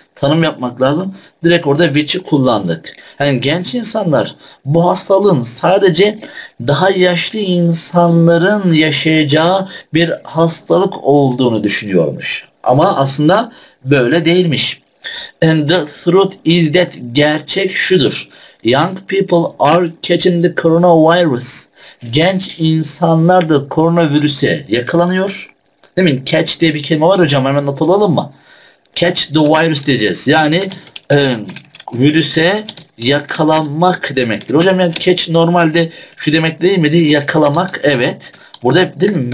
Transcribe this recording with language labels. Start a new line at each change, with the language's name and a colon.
Turkish: Tanım yapmak lazım. Direkt orada which'i kullandık. Yani genç insanlar bu hastalığın sadece daha yaşlı insanların yaşayacağı bir hastalık olduğunu düşünüyormuş. Ama aslında böyle değilmiş.
English: And the truth is that
Turkish: gerçek şudur.
English: Young people are catching the coronavirus.
Turkish: Genç insanlar da koronavirüse yakalanıyor. Değil mi? Catch diye bir kelime var hocam. Hemen not alalım mı?
English: Catch the virus
Turkish: diyeceğiz. Yani virüse yakalanmak demektir. Hocam yani catch normalde şu demek değil mi? Değil, yakalamak evet. Burada değil mi?